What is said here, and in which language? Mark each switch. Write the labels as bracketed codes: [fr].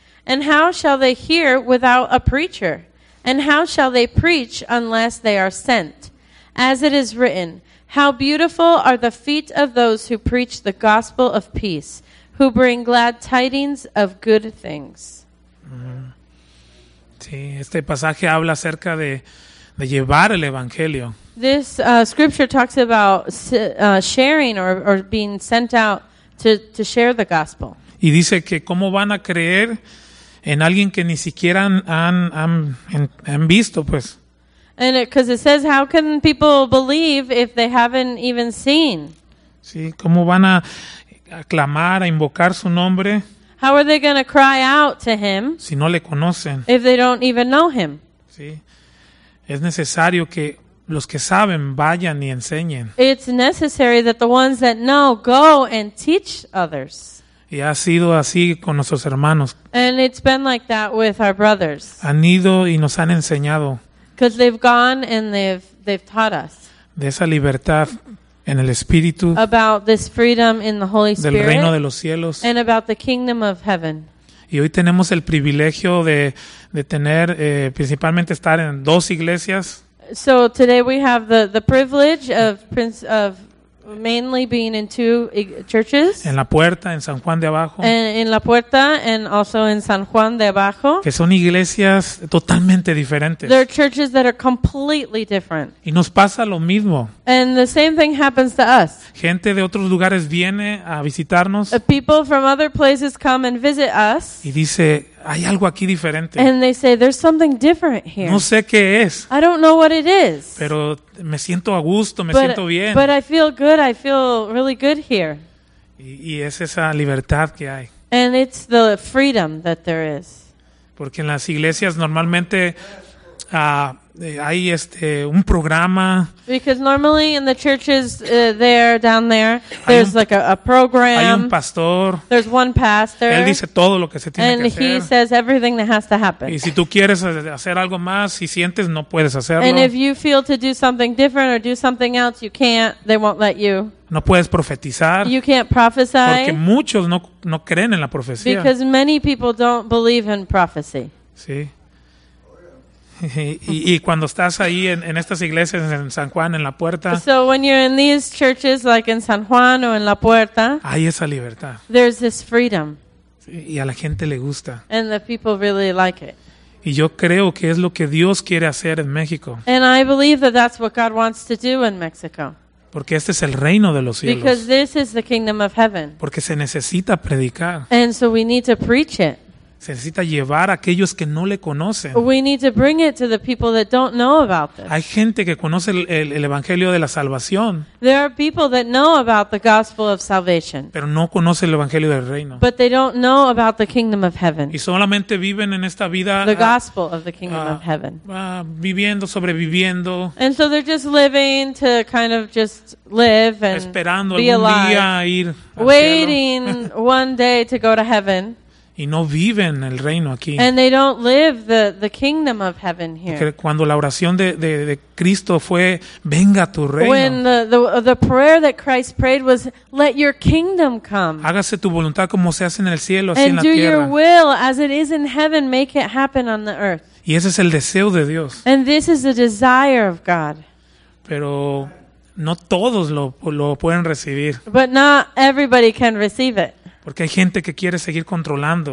[en] And how shall they hear without a preacher? And how shall they preach unless they are sent? As it is written, how beautiful are the feet of those who preach the gospel of peace, who bring glad tidings of good things." [es] Sí, este pasaje habla acerca de llevar el evangelio. [en] This scripture talks about sharing or being sent out to share the gospel. [es] Y dice que cómo van a creer en alguien que ni siquiera han visto, pues. [en] And because it says, how can people believe if they haven't even seen? [es] Sí, ¿cómo van a aclamar, a invocar su nombre? [en] How are they going to cry out to him? [es] Si no le conocen. [en] If they don't even know him. [es] Sí. Es necesario que los que saben vayan y enseñen. [en] It's necessary that the ones that know go and teach others. [es] Y ha sido así con nuestros hermanos. [en] And it's been like that with our brothers. [es] Han ido y nos han enseñado. [en] Because they've gone and they've taught us. [es] De esa libertad en el Espíritu. [en] About this freedom in the Holy Spirit. [es] Del reino de los cielos. [en] And about the kingdom of heaven. [es] Y hoy tenemos el privilegio de tener, principalmente estar en dos iglesias. [en] So today we have the privilege of mainly being in two churches. [es] En la puerta, en San Juan de Abajo. [en] En la puerta, and also in San Juan de Abajo. [es] Que son iglesias totalmente diferentes. [en] They're churches that are completely different. [es] Y nos pasa lo mismo. [en] And the same thing happens to us. [es] Gente de otros lugares viene a visitarnos. [en] People from other places come and visit us. [es] Y dice, hay algo aquí diferente. [en] And they say, there's something different here. [es] No sé qué es. [en] I don't know what it is. [es] Pero me siento a gusto, me siento bien. [en] But I feel good, I feel really good here. [es] Y es esa libertad que hay. [en] And it's the freedom that there is. [es] Porque en las iglesias normalmente hay un programa. [en] Because normally in the churches there's like a program. [es] Hay un pastor. [en] There's one pastor. [es] Él dice todo lo que se tiene que hacer. [en] And he says everything that has to happen. [es] Y si tú quieres hacer algo más, si sientes no puedes hacerlo. [en] And if you feel to do something different or do something else, you can't. They won't let you. [es] No puedes profetizar. [en] You can't prophesy. [es] Porque muchos no creen en la profecía. [en] Because many people don't believe in prophecy. [es] Sí. Y cuando estás ahí en estas iglesias en San Juan en la puerta. [en] So when you're in these churches like in San Juan o en la puerta. [es] Hay esa libertad. [en] There's this freedom. [es] Y a la gente le gusta. [en] And the people really like it. [es] Y yo creo que es lo que Dios quiere hacer en México. [en] And I believe that that's what God wants to do in Mexico. [es] Porque este es el reino de los cielos. [en] Because this is the kingdom of heaven. [es] Porque se necesita predicar. [en] And so we need to preach it. [es] Se necesita llevar a aquellos que no le conocen. [en] We need to bring it to the people that don't know about this. [es] Hay gente que conoce el evangelio de la salvación. [en] There are people that know about the gospel of salvation. [es] Pero no conoce el evangelio del reino. [en] But they don't know about the kingdom of heaven. [es] Y solamente viven en esta vida. [en] The gospel of the kingdom of heaven. [es] Viviendo, sobreviviendo. [en] And so they're just living to kind of just live and [es] esperando [en] be [es] algún [en] alive, [es] día ir [en] waiting [es] al cielo. [en] One day to go to heaven. [es] Y no viven el reino aquí. [en] And they don't live the kingdom of heaven here. [es] Porque cuando la oración de Cristo fue, venga tu reino. [en] When the prayer that Christ prayed was, let your kingdom come. [es] Hágase tu voluntad como se hace en el cielo, así en la tierra. [en] And do your will as it is in heaven, make it happen on the earth. [es] Y ese es el deseo de Dios. [en] And this is the desire of God. [es] Pero no todos lo pueden recibir. [en] But not everybody can receive it. [es] Porque hay gente que quiere seguir controlando.